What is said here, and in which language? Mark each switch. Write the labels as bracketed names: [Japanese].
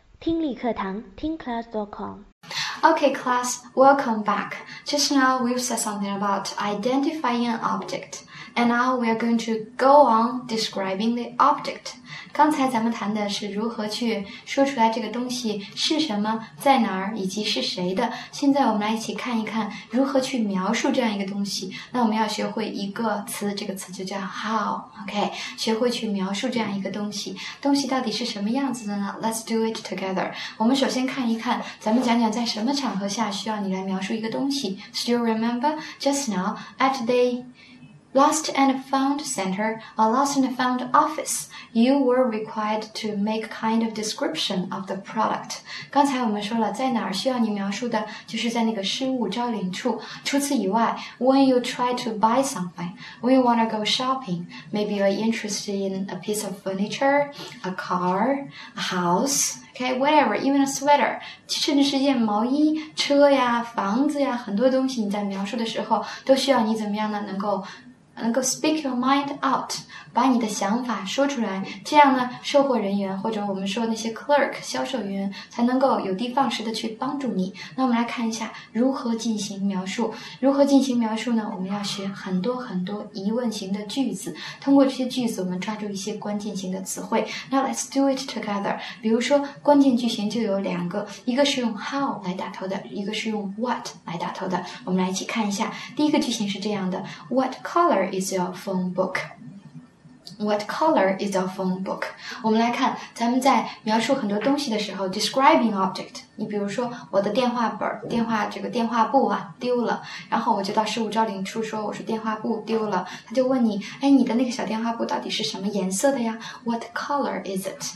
[Chinese] 听力课堂，听 class.com。 [English] Okay, class, welcome back. Just now we've said something about identifying an object, and now we're going to go on describing the object. [Chinese] 刚才咱们谈的是如何去说出来这个东西是什么，在哪儿，以及是谁的。现在我们来一起看一看如何去描述这样一个东西。那我们要学会一个词，这个词就叫 how. Okay, 学会去描述这样一个东西，东西到底是什么样子的呢？ [English] Let's do it together. [Chinese] 我们首先看一看，咱们讲讲在什么场合下需要你来描述一个东西。 [English] Still remember just now at the lost and found center, a lost and found office, you were required to make kind of description of the product. [Chinese] 刚才我们说了在哪儿需要你描述的，就是在那个失物招领处。除此以外， [English] when you try to buy something, when you want to go shopping, maybe you're interested in a piece of furniture, a car, a house,Okay, whatever, even a sweater, [Chinese] 甚至是件毛衣、车呀、房子呀，很多东西你在描述的时候都需要你怎么样呢？能够 [English] speak your mind out, [Chinese] 把你的想法说出来，这样呢，售货人员或者我们说那些 clerk, 销售员才能够有的放矢的去帮助你。那我们来看一下如何进行描述。如何进行描述呢？我们要学很多很多疑问型的句子，通过这些句子我们抓住一些关键型的词汇。 [English] Now let's do it together. [Chinese] 比如说关键句型就有两个，一个是用 how 来打头的，一个是用 what 来打头的。我们来一起看一下，第一个句型是这样的， [English] What color? Is your phone book? What color is your phone book? [Chinese] 我们来看，咱们在描述很多东西的时候 ， [English] describing object。 [Chinese] 你比如说，我的电话本、电话这个电话簿啊丢了，然后我就到失物招领处说我是电话簿丢了，他就问你，哎，你的那个小电话簿到底是什么颜色的呀 ？ [English] What color is it?